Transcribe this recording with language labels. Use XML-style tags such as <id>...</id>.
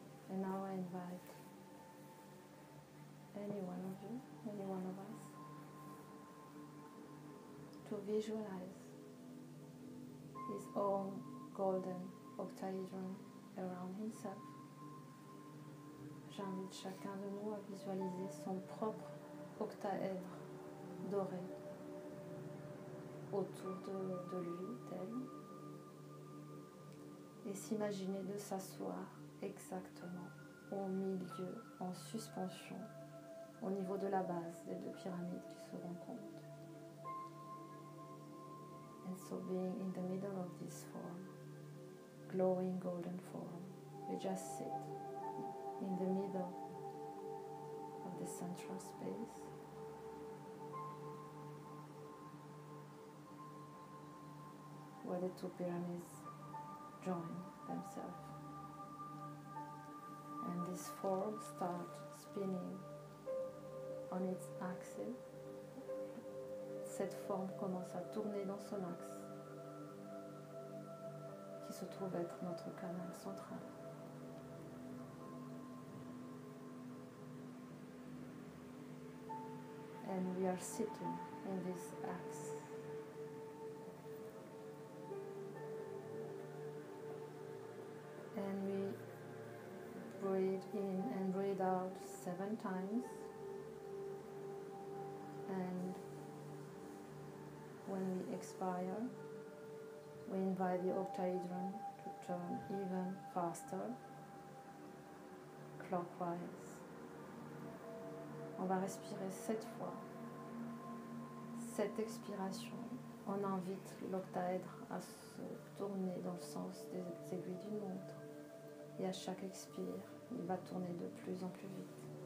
<en>And now I invite any one of you, any one of us, to visualize his own golden octahedron around himself.</en> <fr>J'invite chacun de nous à visualiser son propre octaèdre doré autour de lui, d'elle, et s'imaginer de s'asseoir exactement au milieu, en suspension, au niveau de la base des deux pyramides qui se rencontrent.</fr> <en>And so being in the middle of this form, glowing golden form, we just sit in the middle of the central space. Where the two pyramids join themselves. And this form starts spinning on its axis.</en> <fr>Cette forme commence à tourner dans son axe, qui se trouve être notre canal central.</fr> <en>And we are sitting in this axe. And we breathe in and breathe out 7 times. And when we expire, we invite the octahedron to turn even faster, clockwise.</en> <fr>On va respirer 7 fois. 7 expirations, on invite l'octaèdre à se tourner dans le sens des aiguilles d'une montre. Et à chaque expire, il va tourner de plus en plus vite.</fr>